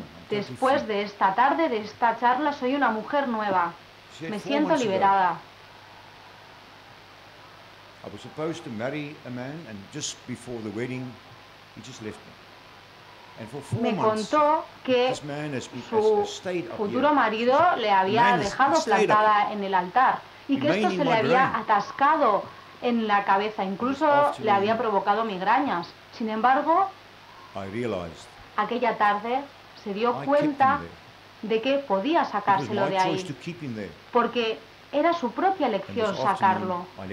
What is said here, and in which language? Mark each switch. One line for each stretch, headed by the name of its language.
Spanish: Después de esta tarde, de esta charla, soy una mujer nueva. Me siento liberada.
English: I was supposed to marry a man and just before the wedding he just left me.
Spanish: Me contó que su futuro marido le había dejado plantada en el altar y que esto se le había atascado en la cabeza, incluso le había provocado migrañas. Sin embargo, aquella tarde se dio cuenta de que podía sacárselo de ahí, porque era su propia elección sacarlo.